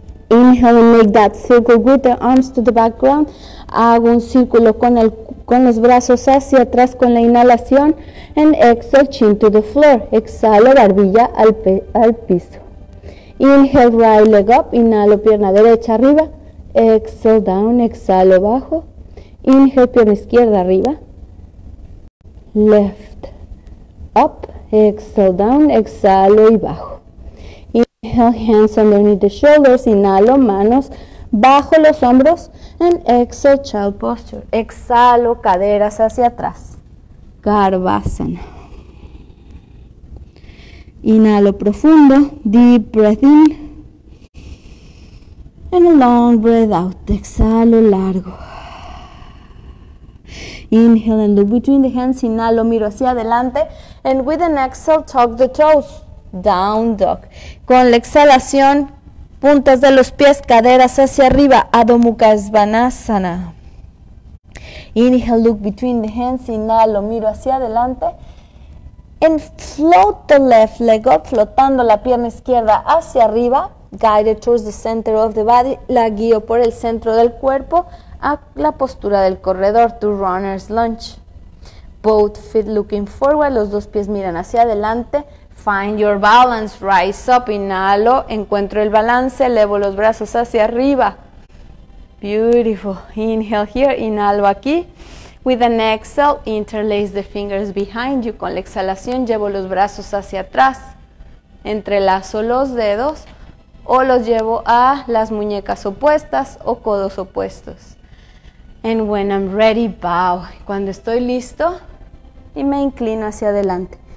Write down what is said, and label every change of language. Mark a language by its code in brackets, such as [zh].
[en] Inhale, make that circle with the arms to the background. [es] Hago un círculo con los brazos hacia atrás con la inhalación. [en] And exhale, chin to the floor. [es] Exhalo, barbilla al piso. [en] Inhale, right leg up. [es] Inhalo, pierna derecha arriba. [en] Exhale, down. [es] Exhalo, bajo. [en] Inhale, [es] pierna izquierda arriba. [en] Left up. Exhale, down. [es] Exhalo y bajo. [en] Inhale, hands underneath the shoulders, [es] inhalo, manos bajo los hombros, [en] and exhale, child posture, [es] exhalo, caderas hacia atrás, Garbhasana. Inhalo profundo, [en] deep breath in, and a long breath out, [es] exhalo, largo. [en] Inhale and loop between the hands, [es] inhalo, miro hacia adelante, [en] and with an exhale, tuck the toes. Down dog. [es] Con la exhalación, puntas de los pies, caderas hacia arriba, Adho Mukha Svanasana. [en] Inhale, look between the hands, [es] inhalo, miro hacia adelante. [en] And float the left leg up, [es] flotando la pierna izquierda hacia arriba, [en] guided towards the center of the body, [es] la guío por el centro del cuerpo, a la postura del corredor, [en] to runner's lunge. Both feet looking forward, [es] los dos pies miran hacia adelante. [en] Find your balance, rise up, [es] inhalo, encuentro el balance, elevo los brazos hacia arriba. [en] Beautiful, inhale here, [es] inhalo aquí. [en] With an exhale, interlace the fingers behind you. [es] Con la exhalación, llevo los brazos hacia atrás. Entrelazo los dedos o los llevo a las muñecas opuestas o codos opuestos. [en] And when I'm ready, bow. [es] Cuando estoy listo y me inclino hacia adelante.